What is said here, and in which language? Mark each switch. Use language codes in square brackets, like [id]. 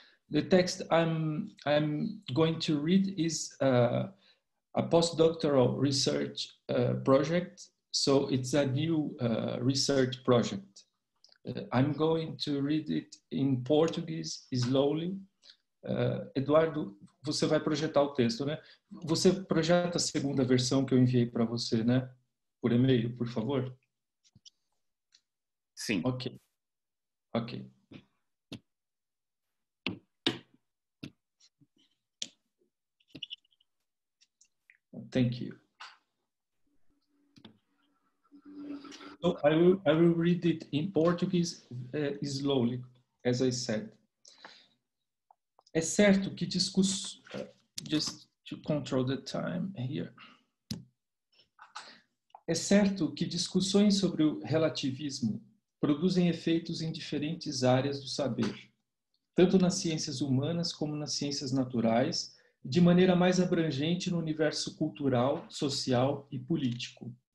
[en] The text I'm going to read is a postdoctoral research project. So it's a new research project. I'm going to read it in português, slowly. [pt] Eduardo, você vai projetar o texto, né? Você projeta a segunda versão que eu enviei para você, né? Por e-mail, por favor? Sim. Ok. Ok. [en] Thank you. So I will read it in Portuguese slowly, as I said. [pt] É certo que [en] just to control the time here. [pt] É certo que discussões sobre o relativismo produzem efeitos em diferentes áreas do saber, tanto nas ciências humanas como nas ciências naturais, de maneira mais abrangente no universo cultural, social e político.